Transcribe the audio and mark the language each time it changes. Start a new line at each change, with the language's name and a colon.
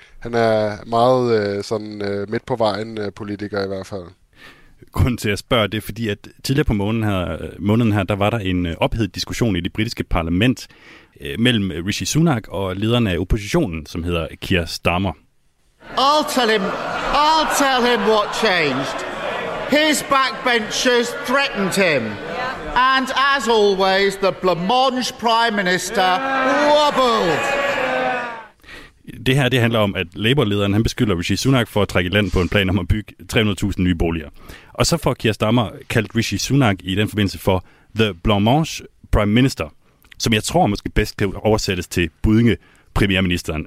Danish: Han er meget midt på vejen politiker i hvert fald. Grunden til at spørge det, fordi at tidligere på måneden her, der var der en ophedet diskussion i det britiske parlament mellem Rishi Sunak og lederen af oppositionen, som hedder Keir Starmer.
English: I'll tell him what changed. His backbenchers threatened him. And as always, the blancmange prime minister wobbled.
Danish: Det her, det handler om, at Labour-lederen, han beskylder Rishi Sunak for at trække land på en plan om at bygge 300.000 nye boliger. Og så får Keir Starmer kaldt Rishi Sunak i den forbindelse for
English: The Blancmange Prime Minister,
Danish: som jeg tror måske bedst kan oversættes til budinge premierministeren.